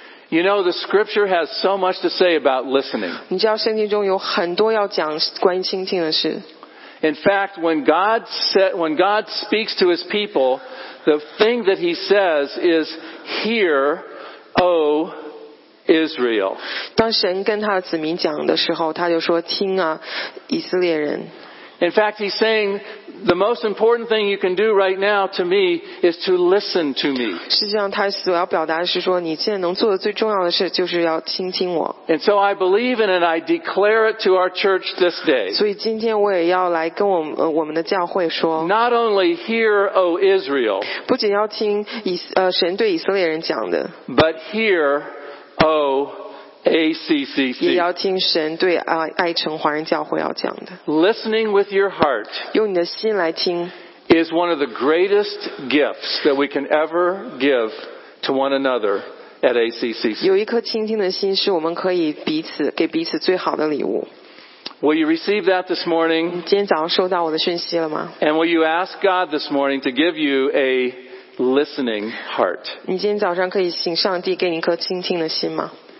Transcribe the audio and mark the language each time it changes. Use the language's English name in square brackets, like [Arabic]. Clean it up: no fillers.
[English] You know, the scripture has so much to say about listening. [Chinese] 你知道圣经中有很多要讲关于倾听的事。 [English] In fact, when God speaks to his people, the thing that he says is, Hear, O Israel. [Chinese] 当神跟他的子民讲的时候，他就说，听啊，以色列人。 [English] In fact, he's saying, the most important thing you can do right now to me is to listen to me. [Chinese] 实际上他所要表达的是说你现在能做的最重要的事就是要倾听我。 [English] And so I believe in it and I declare it to our church this day. [Chinese] 所以今天我也要来跟我们的教会说。 [English] Not only hear, O Israel. [Chinese] 不仅要听神对以色列人讲的。 [English] But hear, O A-C-C-C. [Chinese] 也要听神对爱城华人教会要讲的。 [English] Listening with your heart [Chinese] 用你的心来听 [English] is one of the greatest gifts that we can ever give to one another at A-C-C-C. [Chinese] 有一颗倾听的心是我们可以给彼此最好的礼物。 [English] Will you receive that this morning? [Chinese] 今天早上收到我的讯息了吗？ [English] And will you ask God this morning to give you a listening heart? [Chinese] 你今天早上可以请上帝给你一颗倾听的心吗？